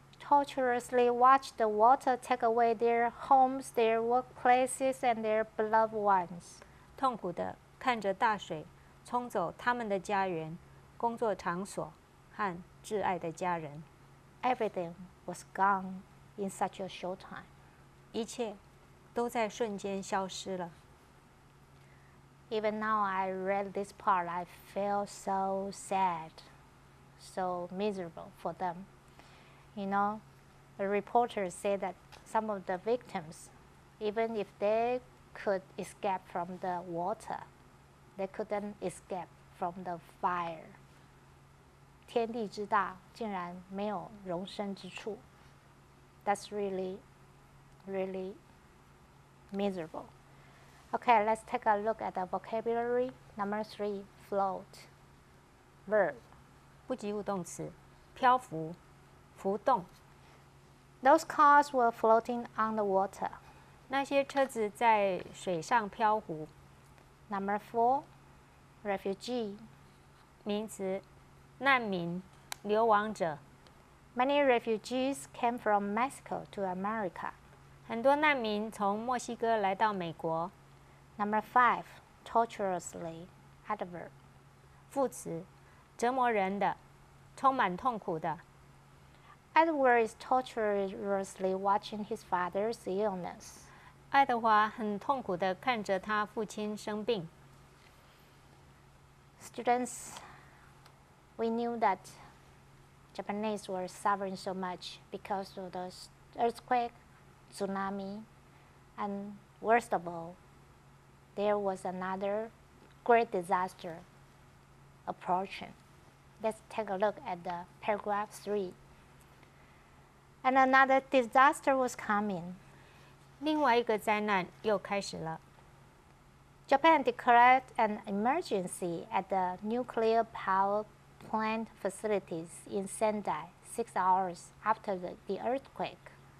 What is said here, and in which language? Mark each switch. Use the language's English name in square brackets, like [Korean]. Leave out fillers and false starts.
[English] torturously watched the water take away their homes, their workplaces, and their beloved ones. [Chinese] 痛苦地看着大水冲走他们的家园、工作场所和挚爱的家人。 [English] Everything was gone in such a short time. [Chinese] 一切都在瞬间消失了。 [English] Even now I read this part, I feel so sad, so miserable for them. You know, the reporters say that some of the victims, even if they could escape from the water, they couldn't escape from the fire. [Chinese] 天地之大竟然没有容身之处。 [English] That's really, really miserable. Okay, let's take a look at the vocabulary. Number three, float. Verb. [Chinese] 不及物动词，漂浮，浮动。 [English] Those cars were floating on the water. [Chinese] 那些车子在水上漂浮。 [English] Number four, refugee. [Chinese] 名词，难民，流亡者。 [English] Many refugees came from Mexico to America. [Chinese] 很多难民从墨西哥来到美国。 [English] Number five, torturously, adverb. [Chinese] 副词，折磨人的，充满痛苦的。 [English] Edward is torturously watching his father's illness. [Chinese] 爱德华很痛苦地看着他父亲生病。 [English] Students, we knew that Japanese were suffering so much because of the earthquake, tsunami, and worst of all,There was another great disaster approaching. Let's take a look at the paragraph 3. And another disaster was coming. [Chinese] 另外一个灾难又开始了。 [English] Japan declared an emergency at the nuclear power plant facilities in Sendai 6 hours after the earthquake.